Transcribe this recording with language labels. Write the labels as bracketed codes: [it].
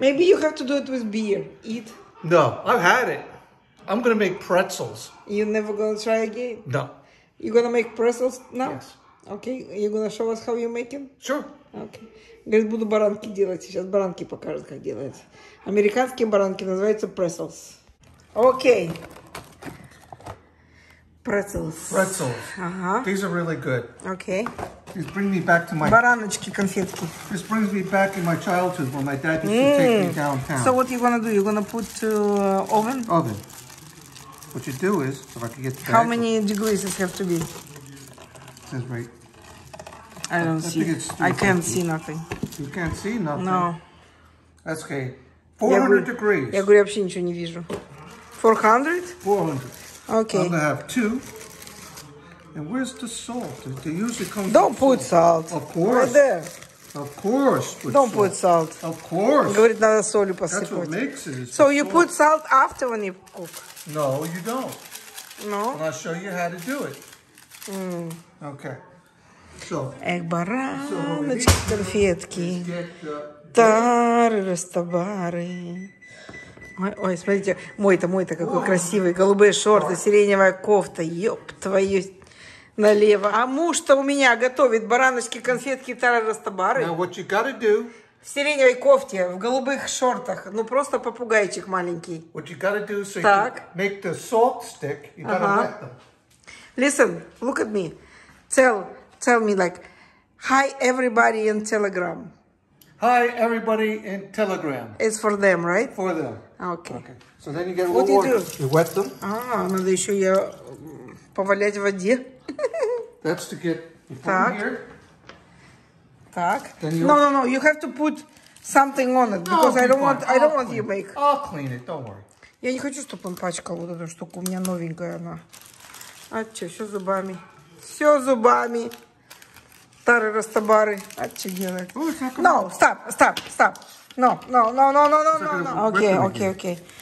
[en] Maybe you have to do it with beer. Eat. No, I've had it. I'm gonna make pretzels. You're never gonna try again? No. You're gonna make pretzels now? Yes. Okay, you're gonna show us how you make them? Sure. Okay. [ru] Говорит, буду баранки делать. Сейчас баранки покажут, как делать. Американские баранки называются pretzels. Okay. [en] Pretzels. Uh-huh. These are really good. Okay. These bring me back to my... [ru] Бараночки, конфетки. [en] This brings me back in my childhood when my dad used to take me downtown. So what you gonna do? You gonna put to oven? Oven. What you do is, if I can get the bag... How many degrees does it have to be? That's right. I don't see. I can't see nothing. You can't see nothing? No. That's okay. 400 degrees. [ru] Я говорю, вообще ничего не вижу. [en] 400? 400. Okay. I'm going to have two. And where's the salt? They usually come... Don't put salt. Of course. Right there. Of course. Don't put salt. Of course. [ru] Говорит, надо солью посыпать. [en] That's what makes it. So you put salt after when you cook? No, you don't. No? And I'll show you how to do it. Okay. So. [ru] Эх, бараночки, конфетки. Тары-растабары. Ой, смотрите, мой-то какой красивый. Голубые шорты, сиреневая кофта. Ёп твою налево. А муж-то у меня готовит бараночки, конфетки, тары-растабары. [en] Now what you gotta do, [ru] в сиреневой кофте, в голубых шортах, ну просто попугайчик маленький. [en] What you gotta do so [ru] так. [en] You make the salt stick, you gotta wet them. Listen, look at me. Tell me like, hi everybody in Telegram. Hi everybody in Telegram. It's for them, right? For them. Okay. So then you get a little water. You wet them. [ru] Надо еще я повалять в воде. [en] That's to get the foam here. [ru] Так. [en] No. You have to put something on it because I don't want you make. I'll clean it. Don't worry. [ru] Я не хочу, чтобы он пачкал вот эту штуку. У меня новенькая она. А че, все зубами. Все зубами. Тары растабары. А че делать? [en] Stop. No. [ru] Окей.